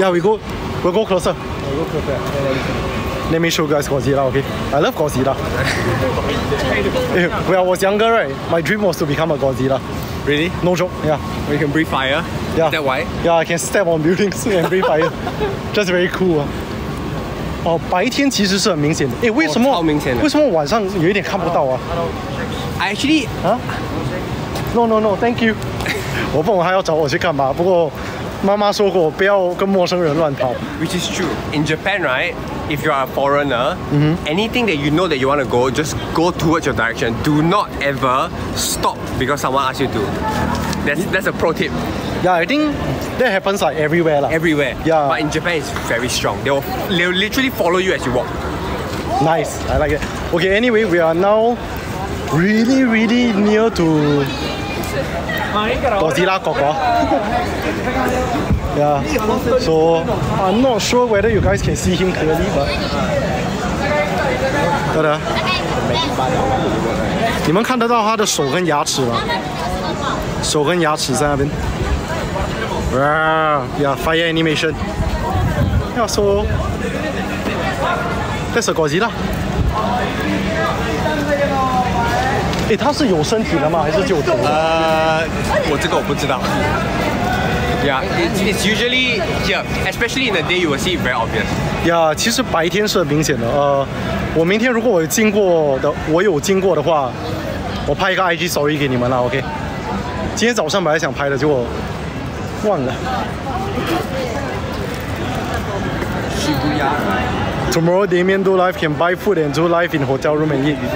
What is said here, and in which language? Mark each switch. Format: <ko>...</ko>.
<en>Yeah, we'll go closer. Let me show you guys Godzilla, okay? I love Godzilla. When I was younger, right, my dream was to become a Godzilla. Really? No joke, yeah. Or you can breathe fire? Yeah. Is that why? Yeah, I can step on buildings and breathe fire. Just very cool.</en> <zh>Oh, 白天其实是很明显的。为什么？超明显的。为什么晚上有一点看不到啊？</zh> <en>I actually, No, thank you.</en> <zh>我问我还要找我去干嘛？不过妈妈说过不要跟陌生人乱跑。</zh> <en>Which is true. In Japan, right? If you are a foreigner,、 mm-hmm. anything that you know that you want to go, just go towards your direction. Do not ever stop because someone asks you to. That's a pro tip. Yeah, I think that happens like everywhere. Like. Everywhere. Yeah. But in Japan, it's very strong. They will literally follow you as you walk. Nice. I like it. Okay, anyway, we are now... Really, really near to Godzilla Kokwa. Yeah. So I'm not sure whether you guys can see him clearly, but. Da da.</en> <zh>你们看得到他的手跟牙齿吗？手跟牙齿在那边。</zh> <en>Yeah, fire animation. Yeah, so that's a Godzilla.</en> <zh>诶，他是有身体的吗？还是就头？我这个我不知道。</zh> <en>Yeah, it's usually yeah, especially in the day you will see it very obvious.</en> <zh>Yeah, 其实白天是很明显的。我明天如果我有经过的话，我拍一个 IG story 给你们了 ，OK？今天早上本来想拍的，结果忘了。</zh> <en>Shibuya, tomorrow Damien do live can buy food and do live in hotel room and eat.</en>